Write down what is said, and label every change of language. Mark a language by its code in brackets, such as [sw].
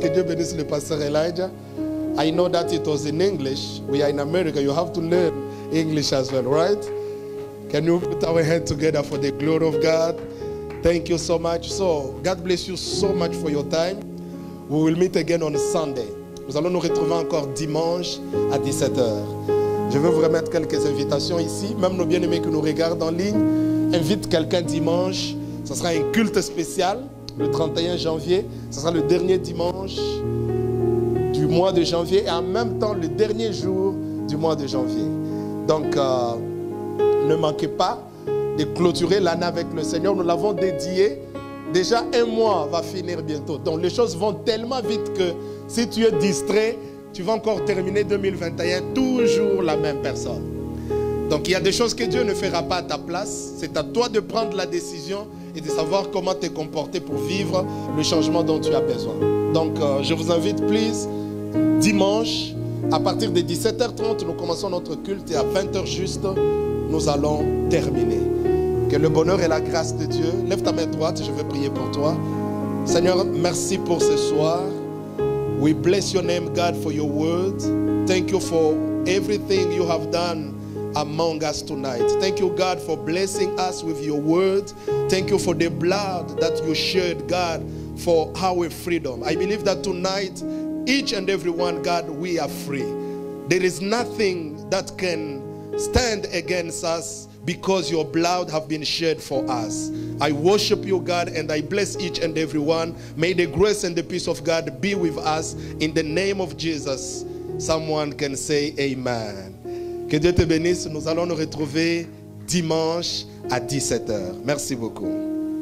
[fr] Que Dieu bénisse le pasteur Elijah. [en] I know that it was in English. We are in America. You have to learn English as well, right? Can you put our hands together for the glory of God? Thank you so much. So, God bless you so much for your time. We will meet again on Sunday. [fr] Nous allons nous retrouver encore dimanche à 17h. Je veux vous remettre quelques invitations ici. Même nos bien-aimés qui nous regardent en ligne, invite quelqu'un dimanche. Ce sera un culte spécial le 31 janvier. Ce sera le dernier dimanche du mois de janvier et en même temps le dernier jour du mois de janvier. Donc, ne manquez pas de clôturer l'année avec le Seigneur. Nous l'avons dédié. Déjà un mois va finir bientôt. Donc, les choses vont tellement vite que si tu es distrait, tu vas encore terminer 2021 toujours la même personne. Donc, il y a des choses que Dieu ne fera pas à ta place. C'est à toi de prendre la décision et de savoir comment te comporter pour vivre le changement dont tu as besoin. Donc, je vous invite, please, dimanche, à partir de 17h30, nous commençons notre culte et à 20h juste, nous allons terminer. Que le bonheur et la grâce de Dieu, lève ta main droite, je vais prier pour toi. Seigneur, merci pour ce soir. [en] We bless your name, God, for your word. Thank you for everything you have done among us tonight. Thank you, God, for blessing us with your word. Thank you for the blood that you shed, God, for our freedom. I believe that tonight, each and every one, God, we are free. There is nothing that can stand against us because your blood have been shed for us. I worship you, God, and I bless each and every one. May the grace and the peace of God be with us. In the name of Jesus, someone can say amen. [fr] Que Dieu te bénisse. Nous allons nous retrouver dimanche à 17h. Merci beaucoup.